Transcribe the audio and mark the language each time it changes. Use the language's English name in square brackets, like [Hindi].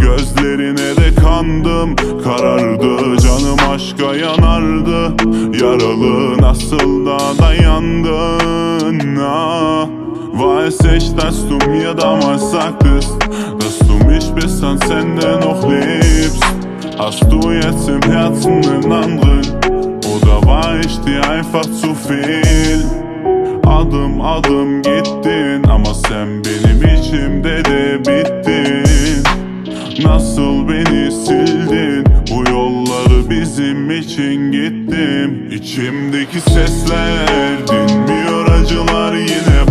[Turkish] Gözlerine de kandım, karardı. Canım aşka yanardı, yaralı. Nasıl da dayandın? [German] Weil sich, dass du mir damals sagtest, dass du mich bis an Ende noch liebst. Hast du jetzt im Herzen einen anderen? Oder war ich dir einfach zu viel? [Turkish] Adım adım gittin ama sen benim içimde de bittin. Nasıl beni sildin, bu yolları bizim için gittim. İçimdeki sesler dinmiyor, acılar yine.